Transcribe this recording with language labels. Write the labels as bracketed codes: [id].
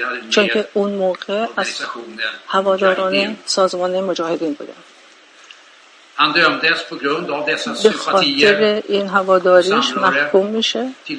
[fa] چون که اون موقع از هواداران سازمان مجاهدین بوده. [sv] Han dömdes på grund av dessa sympatier. [fa] این هواداریش محکوم میشه